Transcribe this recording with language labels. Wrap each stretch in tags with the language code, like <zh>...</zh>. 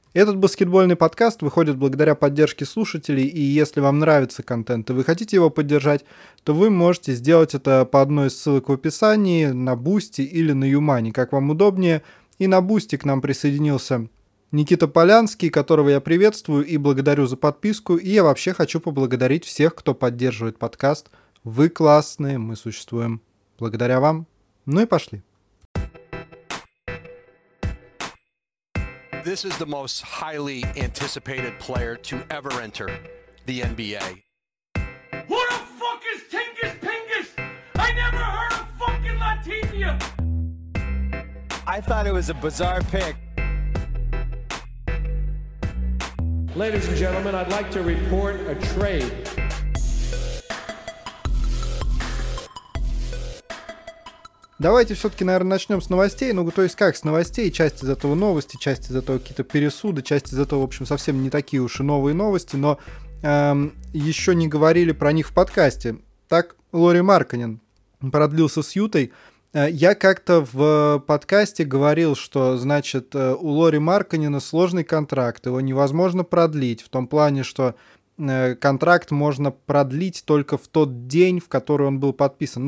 <ru>Этот баскетбольный подкаст выходит благодаря поддержке слушателей, и если вам нравится контент и вы хотите его поддержать, то вы можете сделать это по одной из ссылок в описании, на Boosty или на Юмани, как вам удобнее. И на Boosty к нам присоединился Никита Полянский, которого я приветствую и благодарю за подписку, и я вообще хочу поблагодарить всех, кто поддерживает подкаст. Вы классные, мы существуем благодаря вам. Ну и пошли.</ru> <en>This is the most highly anticipated player to ever enter the NBA. Who the fuck is Tingus Pingus? I never heard of fucking Latinia. I thought it was a bizarre pick. Ladies and gentlemen, I'd like to report a trade.</en> <ru>Давайте все-таки, наверное, начнем с новостей. Ну, то есть как с новостей? Часть из этого новости, часть из этого какие-то пересуды, часть из этого, в общем, совсем не такие уж и новые новости, но еще не говорили про них в подкасте. Так, Лори Марканин продлился с Ютой. Я как-то в подкасте говорил, что, значит, у Лори Марканина сложный контракт, его невозможно продлить, в том плане, что контракт можно продлить только в тот день, в который он был подписан.</ru>